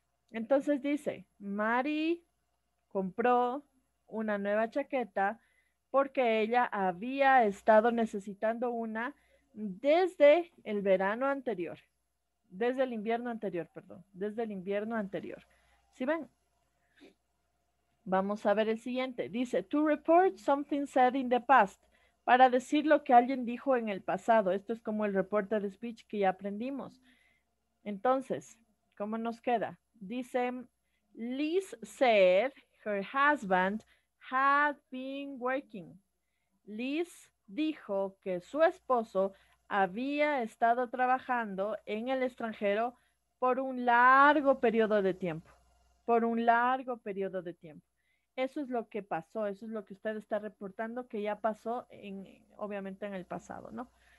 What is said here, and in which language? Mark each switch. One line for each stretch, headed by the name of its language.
Spanish: Entonces dice, Mary compró una nueva chaqueta porque ella había estado necesitando una desde el verano anterior, desde el invierno anterior, perdón, desde el invierno anterior. ¿Sí ven? Vamos a ver el siguiente. Dice,
English: to report something said in the past,
Spanish: para decir lo que alguien dijo en el pasado. Esto es como el reporter speech que ya aprendimos. Entonces, ¿cómo nos queda? Dice,
English: Liz said her husband had been working.
Spanish: Liz dijo que su esposo había estado trabajando en el extranjero por un largo periodo de tiempo. Por un largo periodo de tiempo. Eso es lo que pasó, eso es lo que usted está reportando que ya pasó en, obviamente en el pasado, ¿no?